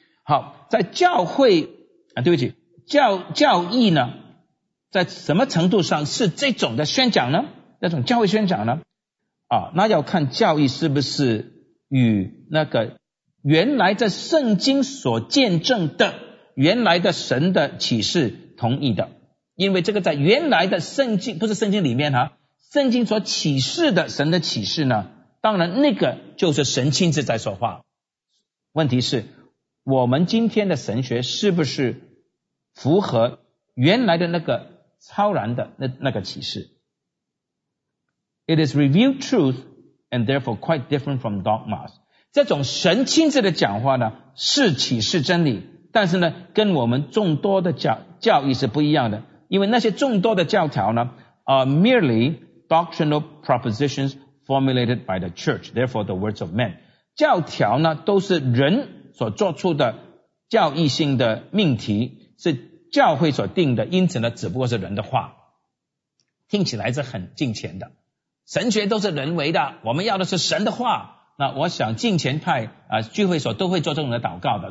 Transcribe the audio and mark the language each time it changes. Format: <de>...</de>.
<zh>好，在教会，对不起，教义呢，在什么程度上是这种的宣讲呢？那种教会宣讲呢？那要看教义是不是与那个原来在圣经所见证的原来的神的启示同意的。因为这个在原来的圣经，不是圣经里面啊，圣经所启示的神的启示呢，当然那个就是神亲自在说话。问题是我们今天的神学是不是符合原来的那个超然的那个启示。</zh> <en>It is revealed truth and therefore quite different from dogmas.</en> <zh>这种神亲自的讲话呢，是启示真理，但是呢跟我们众多的教义是不一样的。因为那些众多的教条呢</zh> <en>are merely doctrinal propositions formulated by the church, therefore the words of men.</en> <zh>教条呢都是人所做出的教义性的命题，是教会所定的，因此呢只不过是人的话。听起来是很近前的。神学都是人为的，我们要的是神的话。那我想近前派聚会所都会做这种的祷告的。</zh>